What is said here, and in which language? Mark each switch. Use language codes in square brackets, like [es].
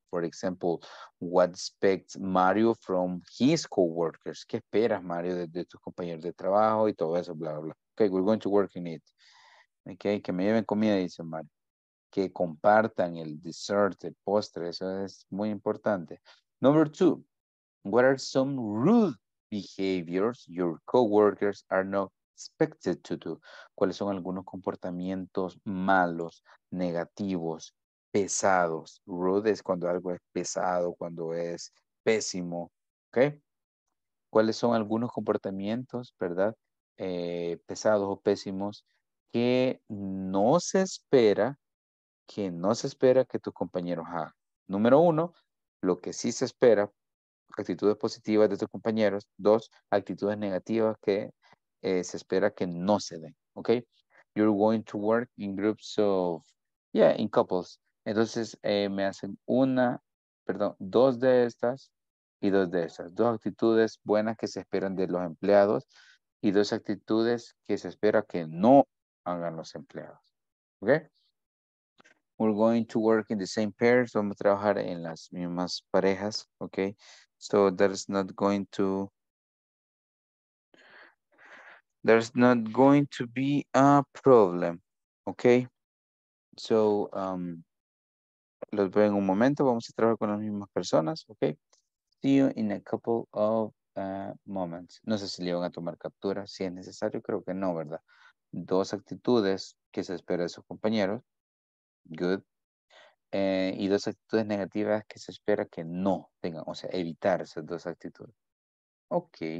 [en] For example, what expects Mario from his co-workers? [es] ¿Qué esperas, Mario, de tus compañeros de trabajo y todo eso, bla, bla, bla? [en] Okay, we're going to work in it. Okay, [es] que me lleven comida, dice Mario. Que compartan el dessert, el postre, eso es muy importante. [en] Number two. What are some rude behaviors your coworkers are not expected to do? [es] ¿Cuáles son algunos comportamientos malos, negativos, pesados? Rude es cuando algo es pesado, cuando es pésimo. ¿Okay? ¿Cuáles son algunos comportamientos, verdad, pesados o pésimos que no se espera que tus compañeros hagan? Número uno, lo que sí se espera. Actitudes positivas de tus compañeros. Dos, actitudes negativas que se espera que no se den. Okay? [en] You're going to work in groups of, yeah, in couples. [es] Entonces, me hacen dos de estas y dos de estas. Dos actitudes buenas que se esperan de los empleados y dos actitudes que se espera que no hagan los empleados. [en] Okay? We're going to work in the same pairs. [es] Vamos a trabajar en las mismas parejas. [en] Okay? So there's not going to be a problem, okay? [es] So los veo en un momento. Vamos a trabajar con las mismas personas, okay? [en] See you in a couple of moments. [es] No sé si le van a tomar captura. Si es necesario, creo que no, ¿verdad? Dos actitudes que se espera de sus compañeros. Good. Y dos actitudes negativas que se espera que no tengan, o sea, evitar esas dos actitudes. Ok.